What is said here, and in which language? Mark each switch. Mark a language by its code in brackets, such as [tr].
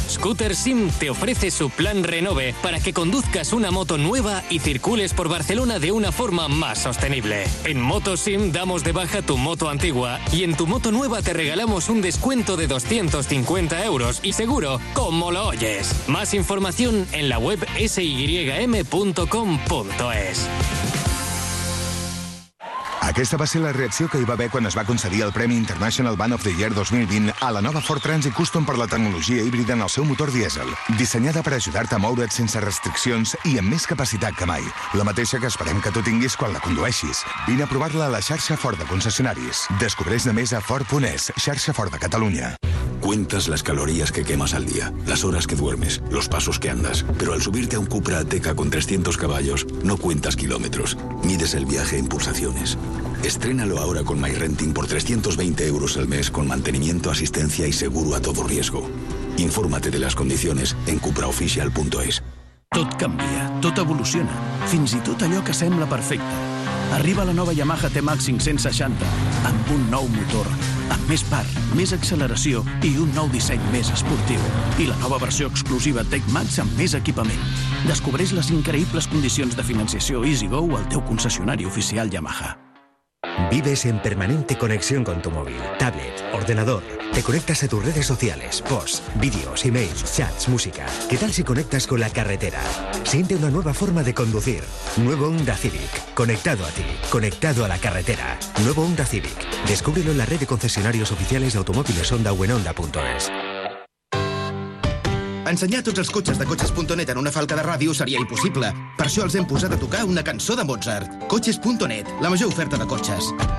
[es] Scooter SIM te ofrece su plan Renove para que conduzcas una moto nueva y circules por Barcelona de una forma más sostenible. En Moto SIM damos de baja tu moto antigua y en tu moto nueva te regalamos un descuento de 250 euros y seguro, como lo oyes. Más información en la web sym.com.es. [ca] Aquesta va ser la reacció que hi va haver quan es va concedir el Premi International Van of the Year 2020 a la nova Ford Transit Custom per la tecnologia híbrida en el seu motor dièsel, dissenyada per ajudar-te a moure't sense restriccions i amb més capacitat que mai. La mateixa que esperem que tu tinguis quan la condueixis. Vine a provar-la a la xarxa Ford de concessionaris. Descobreix-ne més a Ford.es, xarxa Ford de Catalunya. [es] Cuentas las calorías que quemas al día, las horas que duermes, los pasos que andas, pero al subirte a un Cupra Ateca con 300 caballos, no cuentas kilómetros, mides el viaje en pulsaciones. Estrénalo ahora con MyRenting por 320 euros al mes con mantenimiento, asistencia y seguro a todo riesgo. Infórmate de las condiciones en cupraoficial.es. [ca] Tot canvia, tot evoluciona, fins i tot allò que sembla perfecte. Arriba la nova Yamaha T-Max 560 amb un nou motor, amb més part, més acceleració i un nou disseny més esportiu. I la nova versió exclusiva T-Max amb més equipament. Descobreix les increïbles condicions de financiació EasyGo al teu concessionari oficial Yamaha. [es] Vives en permanente conexión con tu móvil, tablet, ordenador. Te conectas a tus redes sociales, posts, vídeos, emails, chats, música. ¿Qué tal si conectas con la carretera? Siente una nueva forma de conducir. Nuevo Honda Civic. Conectado a ti. Conectado a la carretera. Nuevo Honda Civic. Descúbrelo en la red de concesionarios oficiales de automóviles Honda o en Honda.es. [ca] Ensenyar tots els cotxes de cotxes.net en una falca de ràdio seria impossible. Per això els hem posat a tocar una cançó de Mozart. Cotxes.net, la major oferta de cotxes.